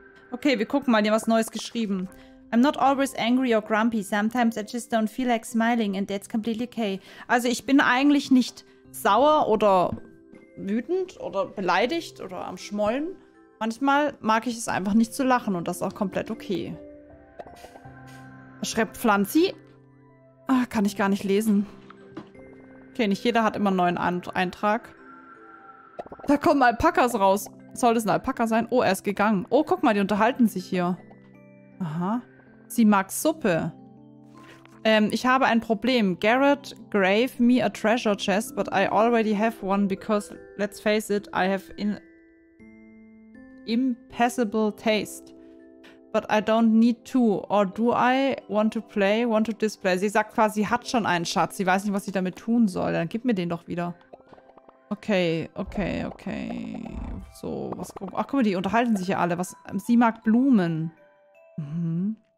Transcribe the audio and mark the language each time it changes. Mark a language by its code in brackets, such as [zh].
[de] Okay, wir gucken mal. Die haben was Neues geschrieben. [en] I'm not always angry or grumpy. Sometimes I just don't feel like smiling and that's completely okay. [de] Also ich bin eigentlich nicht sauer oder wütend oder beleidigt oder am Schmollen. Manchmal mag ich es einfach nicht zu lachen und das ist auch komplett okay. Schreibt Pflanzi. Ah, kann ich gar nicht lesen. Okay, nicht jeder hat immer einen neuen Eintrag. Da kommen Alpakas raus. Soll das ein Alpaka sein? Oh, er ist gegangen. Oh, guck mal, die unterhalten sich hier. Aha. Sie mag Suppe. Ich habe ein Problem. [en] Garrett gave me a treasure chest, but I already have one because, let's face it, I have impassable taste. But I don't need two. Or do I want to play, want to display? [de] Sie sagt quasi, sie hat schon einen Schatz. Sie weiß nicht, was sie damit tun soll. Dann gib mir den doch wieder. Okay, okay, okay. So, was kommt? Ach, guck mal, die unterhalten sich ja alle. Sie mag Blumen. Mhm.